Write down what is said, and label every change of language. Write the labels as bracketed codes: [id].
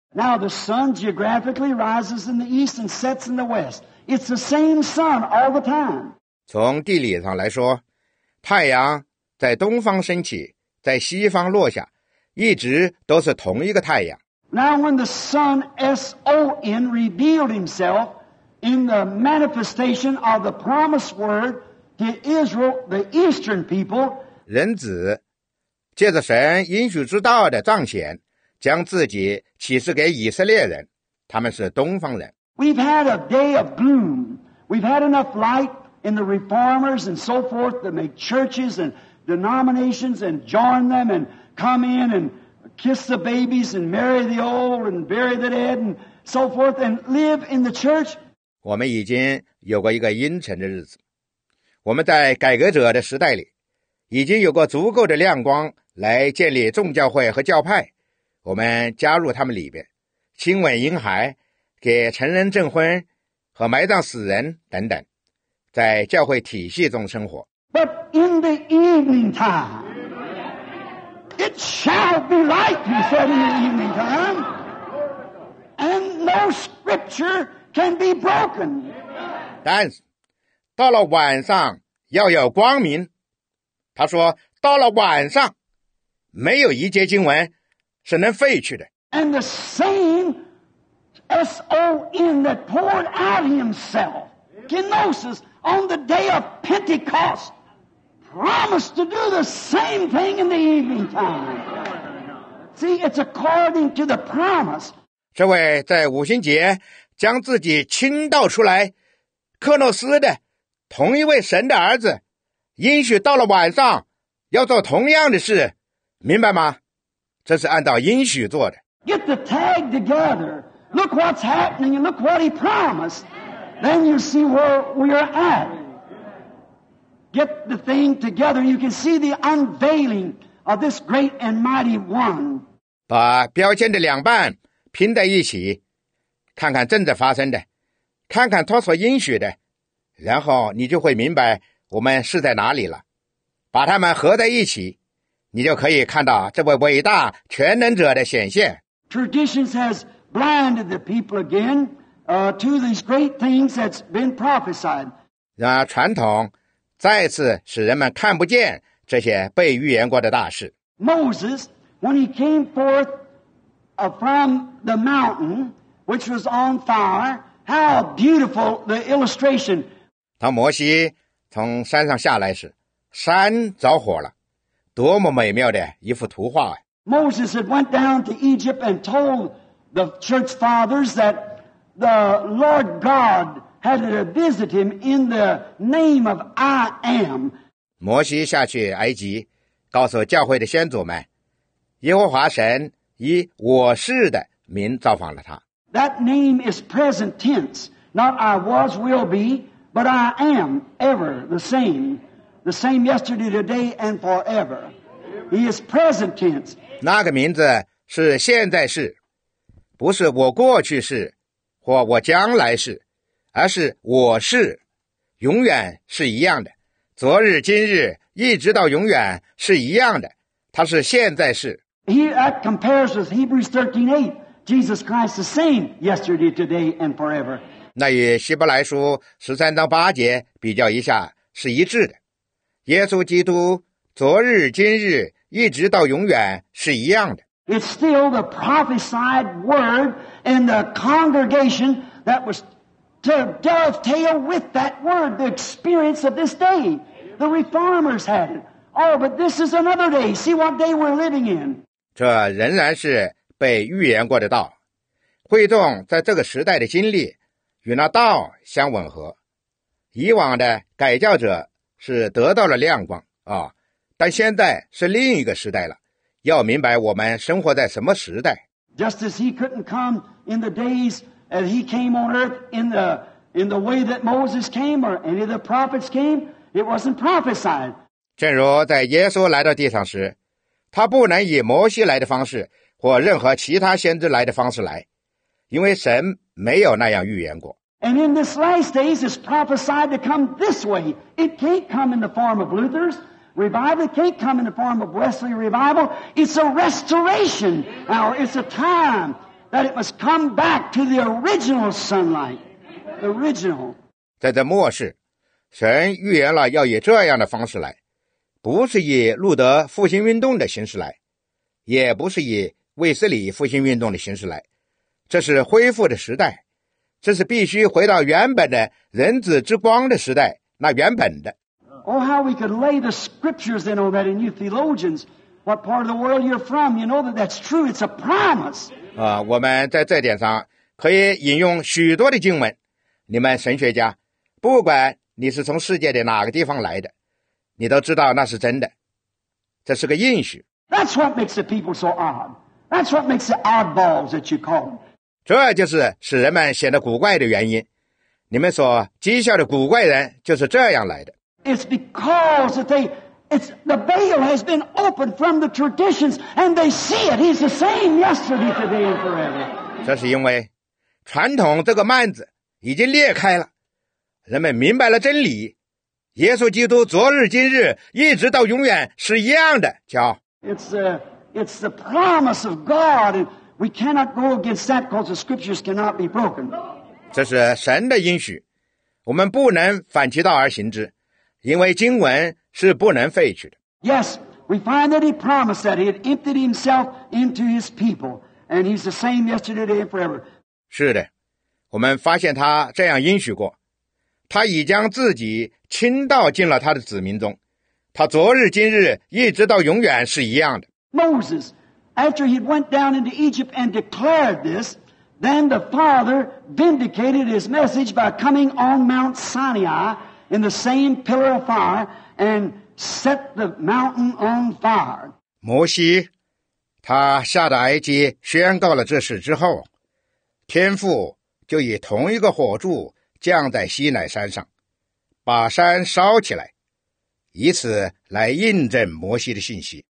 [en] Now the sun geographically rises in the east and sets in the west. It's the same sun all the time. [zh] 从地理上来说，太阳在东方升起，在西方落下，一直都是同一个太阳。 [en] Now when the sun, S-O-N, revealed himself in the manifestation of the promised word to Israel, the eastern people, [zh] 人子借着神应许之道的彰显，将自己启示给以色列人，他们是东方人。 [en] We've had a day of gloom. We've had enough light in the reformers and so forth that make churches and denominations and join them and come in and kiss the babies and marry the old and bury the dead and so forth and live in the church. [zh] 我们已经有过一个阴沉的日子，我们在改革者的时代里已经有过足够的亮光来建立众教会和教派，我们加入他们里边，亲吻婴孩，给成人证婚和埋葬死人等等，在教会体系中生活。 [en] But in the evening time, it shall be light, he said in the evening time, and no scripture can be broken. [zh] 但是，到了晚上要有光明。他说，到了晚上，没有一节经文是能废去的。 [en] And the same S-O-N that poured out himself, kenosis, on the day of Pentecost,promise to do the same thing in the evening time. See, it's according to the promise. [zh] 这位在五旬节将自己倾倒出来，克诺斯的同一位神的儿子，应许到了晚上要做同样的事，明白吗？这是按照应许做的。 [en] Get the tag together. Look what's happening and look what he promised. Then you see where we are at. Get the thing together. You can see the unveiling of this great and mighty one. [zh] 把标签的两半拼在一起，看看正在发生的，看看他所应许的，然后你就会明白我们是在哪里了。把它们合在一起，你就可以看到这位伟大全能者的显现。 [en] Traditions has blinded the people again, to these great things that's been prophesied. [zh] 让传统再次使人们看不见这些被预言过的大事。 [en] Moses, when he came forth from the mountain, which was on fire, how beautiful the illustration. [zh] 当摩西从山上下来时，山着火了，多么美妙的一幅图画。 [en] Moses had went down to Egypt and told the church fathers that the Lord Godhad to visit him in the name of I am. [zh] 摩西下去埃及，告诉教会的先祖们，耶和华神以我是的名造访了他。 [en] That name is present tense. Not I was, will be, but I am ever the same. The same yesterday, today, and forever. He is present tense. [zh] 那个名字是现在式，不是我过去式或我将来式。而是我是，永远是一样的，昨日今日一直到永远是一样的，他是现在世。 [en] That compares with Hebrews 13:8. Jesus Christ the same yesterday, today, and forever. [zh] 那与希伯来书13:8比较一下是一致的。耶稣基督昨日今日一直到永远是一样的。 [en] It's still the prophesied word in the congregation that was to dovetail with that word, the experience of this day. The reformers had it. Oh, but this is another day. See what day we're living in. [zh] 这仍然是被预言过的道。会众在这个时代的经历与那道相吻合。以往的改教者是得到了亮光啊，但现在是另一个时代了。要明白我们生活在什么时代。 [en] Just as he couldn't come in the days as he came on earth in the way that Moses came or any of the prophets came, it wasn't prophesied. [zh] 正如在耶稣来到地上时，他不能以摩西来的方式或任何其他先知来的方式来，因为神没有那样预言过。 [en] And in this last days, it's prophesied to come this way. It can't come in the form of Luther's. Revival can't come in the form of Wesley revival. It's a restoration. Now, it's a time that it must come back to the original sunlight. The original. [zh] 在这末世，神预言了要以这样的方式来，不是以路德复兴运动的形式来，也不是以卫斯理复兴运动的形式来，这是恢复的时代。这是必须回到原本的人子之光的时代，那原本的。 [en] Oh, how we could lay the scriptures in all that in you theologians. What part of the world you're from, you know that that's true. It's a promise. [zh] 我们在这点上可以引用许多的经文。你们神学家，不管你是从世界的哪个地方来的，你都知道那是真的。这是个应许。 [en] That's what makes the people so odd. That's what makes the oddballs that you call them. [zh] 这就是使人们显得古怪的原因。你们所讥笑的古怪人就是这样来的。 [en] It's because it's the veil has been opened from the traditions and they see it. He's the same yesterday, today, and forever. [zh] 这是因为传统这个幔子已经裂开了，人们明白了真理。耶稣基督昨日今日一直到永远是一样的，瞧。 [en] It's the promise of God. We cannot go against that because the scriptures cannot be broken. [zh] 这是神的应许，我们不能反其道而行之，因为经文是不能废去的。 [en] Yes, we find that he promised that he had emptied himself into his people, and he's the same yesterday, today, and forever. [zh] 是的，我们发现他这样应许过，他已将自己倾倒进了他的子民中，他昨日今日一直到永远是一样的。 [en] Moses. After he went down into Egypt and declared this, then the Father vindicated his message by coming on Mount Sinai in the same pillar of fire and set the mountain on fire. [zh] 摩西，他下达埃及宣告了这事之后，天父就以同一个火柱降在西乃山上，把山烧起来，以此来印证摩西的信息。